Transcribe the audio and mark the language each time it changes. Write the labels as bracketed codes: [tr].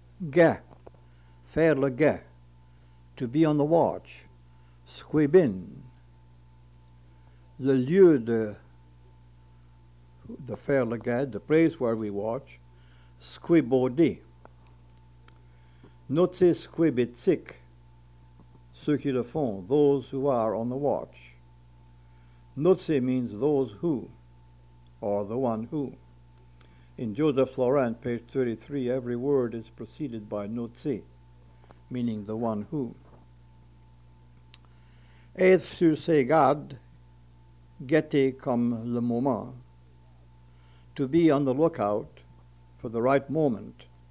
[fr] Guet, faire le guet, [en] to be on the watch, squibin, [fr] le lieu de faire le guet, [en] the place where we watch, squibodi, notse squibitzik, [fr] ceux qui le font, [en] those who are on the watch. Notse means those who, or the one who. In Joseph Florent, page 33, every word is preceded by notse, meaning the one who. [fr] Être sur ses gardes, guetter comme le moment. [en] To be on the lookout for the right moment.